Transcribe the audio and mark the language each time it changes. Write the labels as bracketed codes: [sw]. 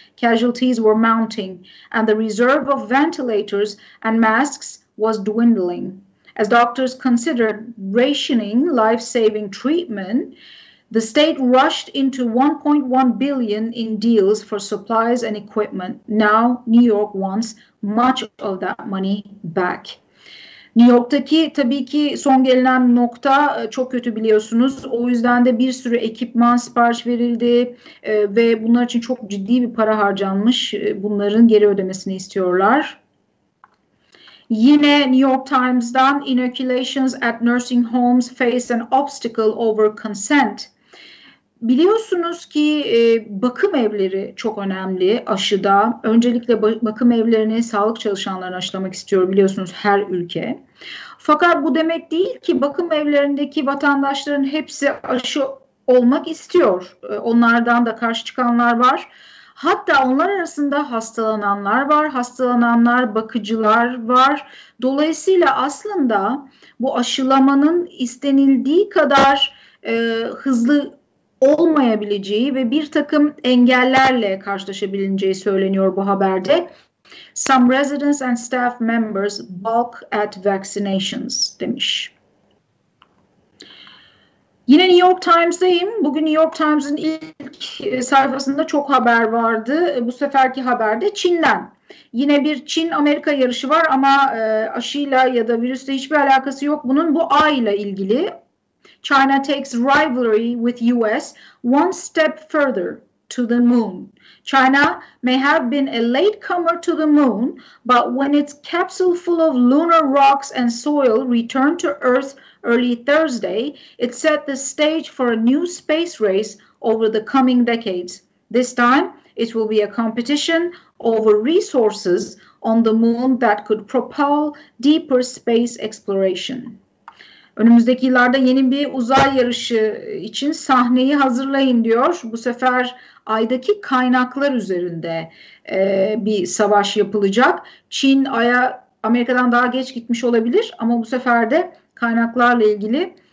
[en] Casualties were mounting and the reserve of ventilators and masks was dwindling. As doctors considered rationing life-saving treatment, the state rushed into $1.1 billion in deals for supplies and equipment. Now New York wants much of that money back. [tr] New York'taki tabii ki son gelinen nokta çok kötü biliyorsunuz. O yüzden de bir sürü ekipman sipariş verildi ve bunlar için çok ciddi bir para harcanmış. Bunların geri ödemesini istiyorlar. Yine [en] New York Times'dan inoculations at nursing homes face an obstacle over consent. [tr] Biliyorsunuz ki bakım evleri çok önemli aşıda. Öncelikle bakım evlerini sağlık çalışanlarını aşılamak istiyor biliyorsunuz her ülke. Fakat bu demek değil ki bakım evlerindeki vatandaşların hepsi aşı olmak istiyor. Onlardan da karşı çıkanlar var. Hatta onlar arasında hastalananlar var, hastalananlar, bakıcılar var. Dolayısıyla aslında bu aşılamanın istenildiği kadar hızlı olmayabileceği ve bir takım engellerle karşılaşabileceği söyleniyor bu haberde. [en] Some residents and staff members balk at vaccinations [tr] demiş. Yine New York Times'dayım. Bugün New York Times'ın ilk sayfasında çok haber vardı. Bu seferki haber de Çin'den. Yine bir Çin-Amerika yarışı var ama aşıyla ya da virüsle hiçbir alakası yok. Bunun bu A ile ilgili. [en] China takes rivalry with US one step further to the moon. China may have been a latecomer to the moon, but when its capsule full of lunar rocks and soil returned to Earth early Thursday, it set the stage for a new space race over the coming decades. This time, it will be a competition over resources on the moon that could propel deeper space exploration. [tr] Önümüzdeki yıllarda yeni bir uzay yarışı için sahneyi hazırlayın diyor. Bu sefer aydaki kaynaklar üzerinde bir savaş yapılacak. Çin aya Amerika'dan daha geç gitmiş olabilir ama bu sefer de kaynaklarla ilgili